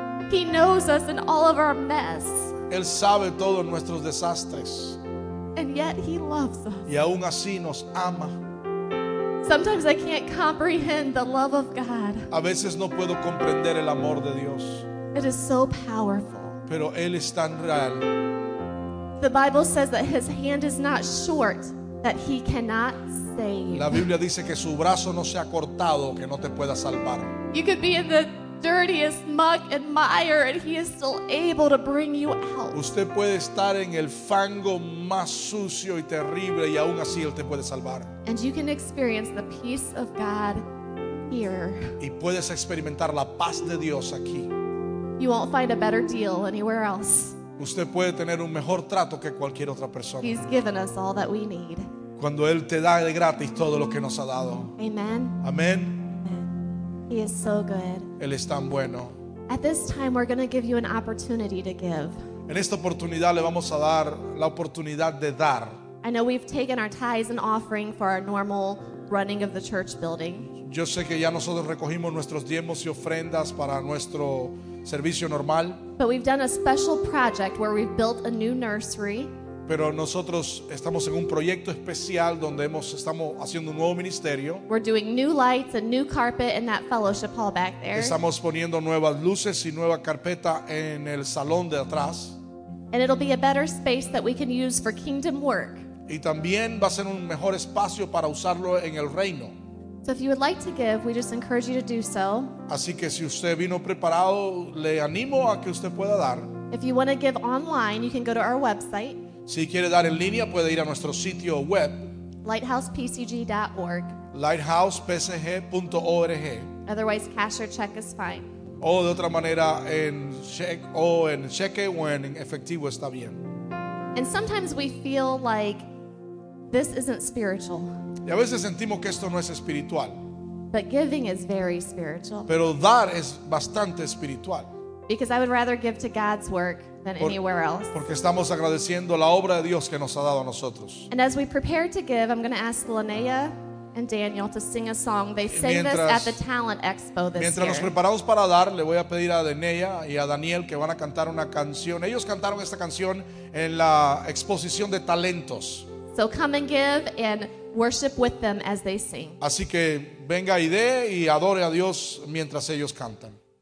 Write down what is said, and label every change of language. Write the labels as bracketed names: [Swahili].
[English] He knows us in all of our mess. [Spanish] Él sabe todos nuestros desastres. [English] And yet he loves us. [Spanish] Y aún así nos ama. [English] Sometimes I can't comprehend the love of God. [Spanish] A veces no puedo comprender el amor de Dios. [English] It is so powerful. [Spanish] Pero Él es tan real. [English] The Bible says that his hand is not short, that he cannot save. [Spanish] La Biblia dice que su brazo no se ha cortado, que no te pueda salvar. [English] You could be in the dirtiest muck and mire and he is still able to bring you out. [Spanish] Usted puede estar en el fango más sucio y terrible y aún así él te puede salvar. [English] And you can experience the peace of God here. [Spanish] Y puedes experimentar la paz de Dios aquí. [English] You won't find a better deal anywhere else. [Spanish] Usted puede tener un mejor trato que cualquier otra persona. [English] He's given us all that we need. [Spanish] Cuando Él te da de gratis todo lo que nos ha dado. [English] Amen. [Spanish] Amén. [English] He is so good. [Spanish] Él es tan bueno. [English] At this time, we're going to give you an opportunity to give. [Spanish] En esta oportunidad le vamos a dar la oportunidad de dar. [English] I know we've taken our tithes and offering for our normal running of the church building. [Spanish] Yo sé que ya nosotros recogimos nuestros diezmos y ofrendas para nuestro servicio normal. [English] But we've done a special project where we've built a new nursery. [Spanish] Pero nosotros estamos en un proyecto especial donde estamos haciendo un nuevo ministerio. [English] We're doing new lights and new carpet in that fellowship hall back there. [Spanish] Estamos poniendo nuevas luces y nueva carpeta en el salón de atrás. [English] And it'll be a better space that we can use for kingdom work. [Spanish] Y también va a ser un mejor espacio para usarlo en el reino. [English] So if you would like to give, we just encourage you to do so. [Spanish] Así que si usted vino preparado, le animo a que usted pueda dar. [English] If you want to give online, you can go to our website. [Spanish] Si quiere dar en línea, puede ir a nuestro sitio web. [English] LighthousePCG.org. [Spanish] LighthousePCG.org. [English] Otherwise, cash or check is fine. [Spanish] O de otra manera, en cheque o en efectivo está bien. [English] And sometimes we feel like this isn't spiritual. [Spanish] Y a veces sentimos que esto no es espiritual. [English] But giving is very spiritual. [Spanish] Pero dar es bastante espiritual. [English] Because I would rather give to God's work than anywhere else. [Spanish] Porque estamos agradeciendo la obra de Dios que nos ha dado a nosotros. [English] And as we prepare to give, I'm going to ask Linnea and Daniel to sing a song. They sang this at the Talent Expo this year. [Spanish] Mientras nos preparamos para dar, le voy a pedir a Linnea y a Daniel que van a cantar una canción. Ellos cantaron esta canción en la exposición de talentos. [English] So come and give and worship with them as they sing. [Spanish] Así que venga y dé y adore a Dios mientras ellos cantan.